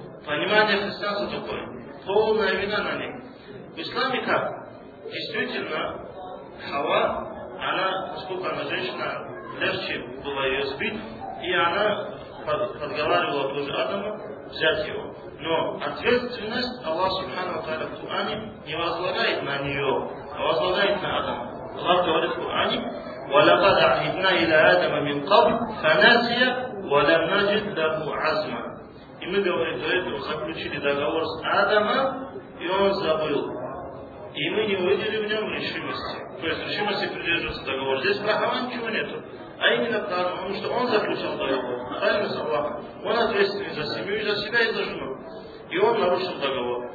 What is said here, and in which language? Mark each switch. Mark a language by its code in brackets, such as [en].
[ru] Понимание христианства такое. Полная вина на ней. В исламе как? Действительно, Хава она, сколько она женщина, легче было ее сбить, и она подговаривала тоже Адама взять его. Но ответственность Аллах Субхану Тааля в Куране не возлагает на нее, а возлагает на Адама. Аллах говорит в Куране: [ar] وَلَقَدْ عَهِدْنَا إِلَىٰ آدَمَ مِنْ قَبْلِ فَنَسِيَ وَلَمْ نَجِدْ لَهُ عَزْمًا. [ru] И мы говорим, до этого заключили договор с Адамом, и он забыл. И мы не увидели в нем решимости. То есть решимости придерживаться договора. Здесь прохова ничего нету. А именно потому, что он заключил договор. Правильно, с Аллахом. Он ответственен за семью, и за себя, и за жену. И он нарушил договор.